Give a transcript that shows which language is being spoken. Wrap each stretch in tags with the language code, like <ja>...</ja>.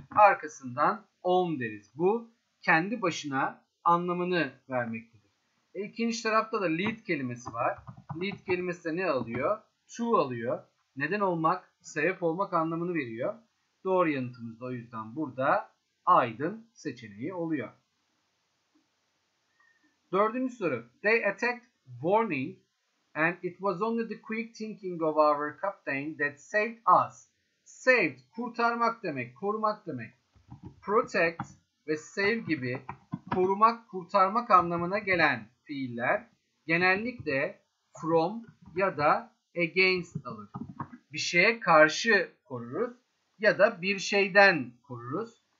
<tr>Arkasından on deriz. Bu kendi başına anlamını vermektedir. İkinci tarafta da lead kelimesi var. Lead kelimesi de ne alıyor? To alıyor. Neden olmak, sebep olmak anlamını veriyor. Doğru yanıtımız da o yüzden burada Aydın seçeneği oluyor. Dördüncü soru.</tr> <en>They attacked warning and it was only the quick thinking of our captain that saved us.</en> <tr>Saved, kurtarmak demek, korumak demek. Protect ve save gibi korumak, kurtarmak anlamına gelen fiiller genellikle from ya da against alır. Bir şeye karşı koruruz ya da bir şeyden koruruz.</tr>